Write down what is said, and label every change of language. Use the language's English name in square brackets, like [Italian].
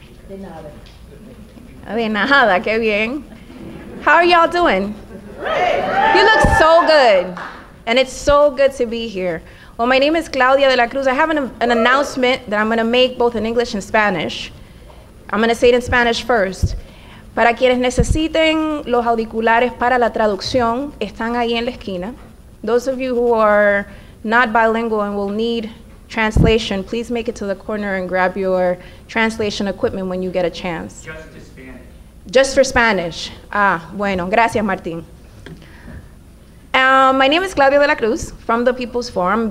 [Spanish] De nada. De nada, qué bien. [English] How are y'all doing? Great. You look so good. And it's so good to be here. Well, my name is Claudia de la Cruz. I have an announcement that I'm gonna make both in English and Spanish. I'm gonna say it in Spanish first. [Spanish] Para quienes necesiten los auriculares para la traducción, están ahí en la esquina. [English] Those of you who are not bilingual and will need translation, please make it to the corner and grab your translation equipment when you get a chance. Just for Spanish. [Spanish] Ah, bueno, gracias, [English] Martin. My name is Claudia de la Cruz from the People's Forum.